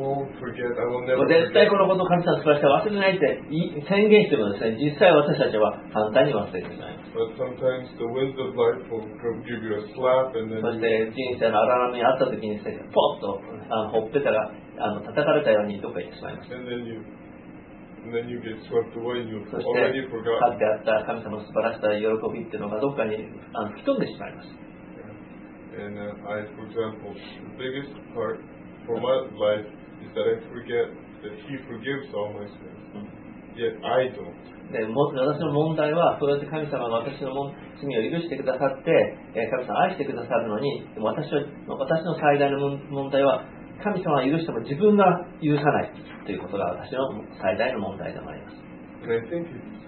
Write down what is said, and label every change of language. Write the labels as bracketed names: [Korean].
[Japanese] 絶対このことを神様の素晴らしさは忘れないって宣言してもですね、実際私たちは簡単に忘れてしまいます。そして人生の荒波にあった時にですね、ポッとほっぺたが叩かれたようにどっか行ってしまいます。 [English] And then you get swept away and you've already forgotten. [Japanese] そして、立ってあった神様の素晴らしさ、喜びっていうのがどっかに吹き飛んでしまいます。 [English] And I, for example, the biggest part for my life is that I forget that He forgives all my sins. Yet I don't. [Japanese] 私の問題は、それで神様が私の罪を許してくださって、神様を愛してくださるのに、でも私の最大の問題は、神様は許しても自分が許さないということが私の最大の問題でもあります。